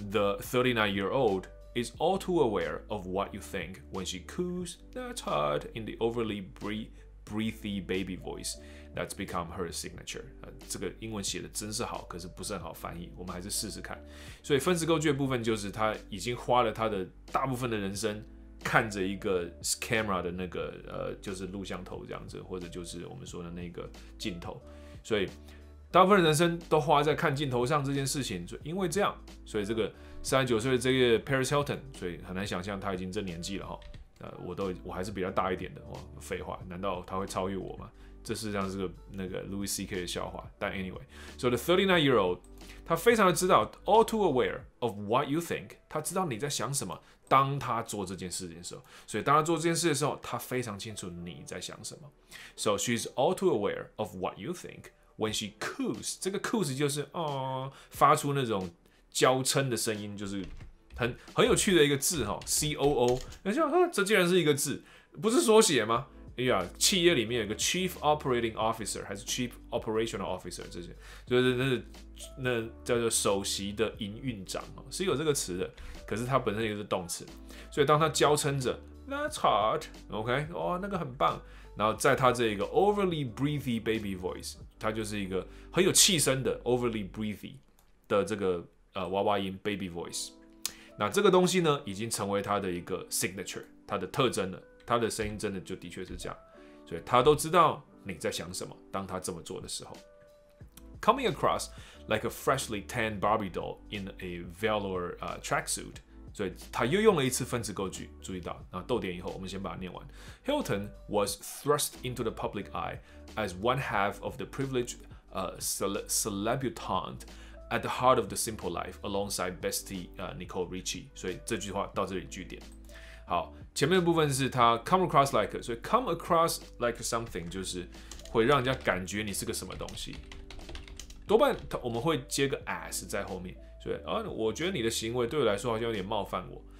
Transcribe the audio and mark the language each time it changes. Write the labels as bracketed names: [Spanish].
[English] The 39-year-old is all too aware of what you think when she coos that hard in the overly breathy baby voice。 That's become her signature。 [Chinese] 这个英文写的真是好，可是不是很好翻译。我们还是试试看。所以分词构句的部分就是，他已经花了他的大部分的人生看着一个 camera 的那个就是录像头这样子，或者就是我们说的那个镜头。所以大部分人生都花在看镜头上这件事情，所以因为这样，所以这个39岁的这个 Paris Hilton， 所以很难想象他已经这年纪了哈。我还是比较大一点的哦。废话，难道他会超越我吗？这事实上是个那个 Louis C.K. 的笑话。但 [English] anyway， so the 39-year-old， [Chinese] 他非常的知道 [English] all too aware of what you think， [Chinese] 他知道你在想什么。当他做这件事情的时候，所以当他做这件事的时候，他非常清楚你在想什么。 [English] So she's all too aware of what you think when she coos。 [Chinese] 这个 coos 就是哦，发出那种娇嗔的声音，就是很有趣的一个字哈 ，coo。那就这竟然是一个字，不是缩写吗？哎呀，企业里面有个 [English] chief operating officer [Chinese] 还是 [English] chief operational officer， [Chinese] 这些就是那叫做首席的营运长哦，是有这个词的。可是它本身也是动词，所以当他娇嗔着 [English] "That's hot," [Chinese] OK， 哦，那个很棒。然后在他这个 [English] overly breathy baby voice， [Chinese] 他就是一个很有气声的 overly breathy 的这个娃娃音 baby voice。那这个东西呢，已经成为他的一个 signature， 他的特征了。他的声音真的就的确是这样，所以他都知道你在想什么。当他这么做的时候 ， [English] coming across like a freshly tanned Barbie doll in a velour tracksuit， [Chinese] 所以他又用了一次分词构句。注意到，那逗点以后，我们先把它念完。 [English] Hilton was thrust into the public eye as one half of the privileged celebutante at the heart of the simple life alongside bestie Nicole Richie。 [Chinese] 所以这句话到这里句点。好，前面的部分是他 come across like， 所以 [English] come across like something [Chinese] 就是会让人家感觉你是个什么东西。多半我们会接个 as 在后面，所以我觉得你的行为对我来说好像有点冒犯我。